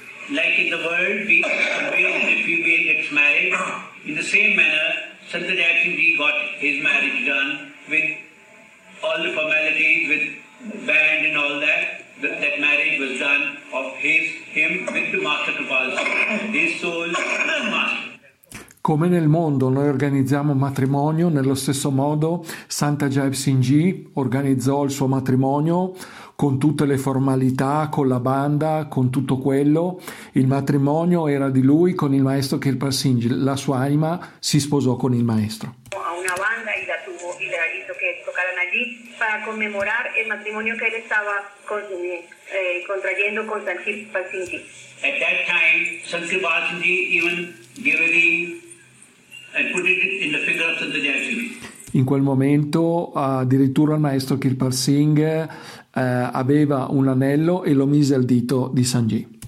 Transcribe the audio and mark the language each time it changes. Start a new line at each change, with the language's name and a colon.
English: Like in the world, we convey that a female gets married. In the same manner, Sant Ajay Singh Ji got his marriage done with all the formalities, with band and all that. That marriage was done of him with the Master Kripal Singh, his soul with the Master.
Italian: Come nel mondo noi organizziamo un matrimonio, nello stesso modo Sant Ajay Singh Ji organizzò il suo matrimonio con tutte le formalità, con la banda, con tutto quello. Il matrimonio era di lui con il maestro Kripal Singh Ji, la sua anima si sposò con il maestro.
Spanish: A una banda y la tuvo y la hizo que tocaran allí para conmemorar el matrimonio que él estaba contrayendo con Sant Kripal Singh Ji.
English: At that time, Sant Kripal Singh Ji even gave a ring and put it in the finger of Sant Ajay Singh Ji.
Italian: In quel momento, addirittura il maestro Kripal Singh aveva un anello e lo mise al dito di Sant Ji.